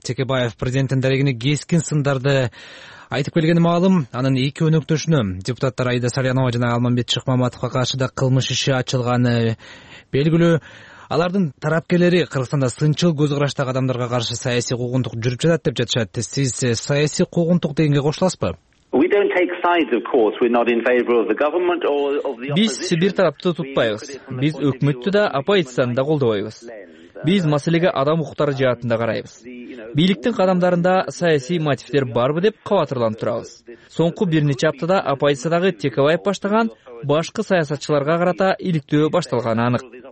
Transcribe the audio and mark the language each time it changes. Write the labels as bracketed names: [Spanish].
[Kyrgyz] Текебаев президенттин дарегине кескин сындарды айтып келгени маалым. Анын эки өнөктөшүнө депутаттар Аида Салянова жана Алмамбет Шыкмаматовго каршы да кылмыш иши ачылганы белгилүү. Алардын тарапкерлери Кыргызстанда сынчыл көз караштагы адамдарга каршы саясий куугунтук жүрүп жатат деп жатышат. Сиз саясий куугунтук дегенге кошуласызбы? [English] We don't take sides, of course. We're not in favor of the government or of the opposition. [Kyrgyz] Биз бир тарапты тутпайбыз. Биз өкмөттү да, оппозицияны да колдобойбуз. Биз маселеге адам укуктары жаатында карайбыз. Бийликтин кадамдарында саясий мотивтер барбы деп кабатырланып турабыз. Соңку бир нече аптада оппозициядагы Текебаев баштаган башкы саясатчыларга карата иликтөө башталганы анык.